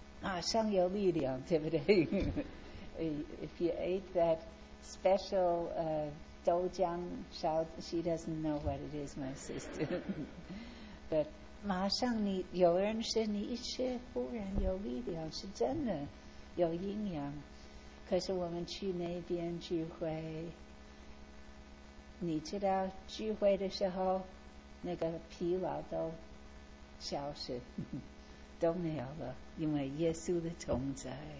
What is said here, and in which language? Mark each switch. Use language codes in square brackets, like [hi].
[zh] 以前没有，现在有。可是那个时候跟荣教士坐那个三轮车，我们去永和，我们永和在中心街有一个，也是一个西园堂。那个时候到了永和，你可以吃烧饼油条，还有豆浆，很好吃。你一吃，马上有力量，对不对？ [en] If you ate that special doujiang, she doesn't know what it is, my sister. [zh] But 马上你有人吃，你一吃，忽然有力量，是真的，有营养。可是我们去那边聚会，你知道聚会的时候，那个疲劳都消失，都没有了，因为耶稣的同在。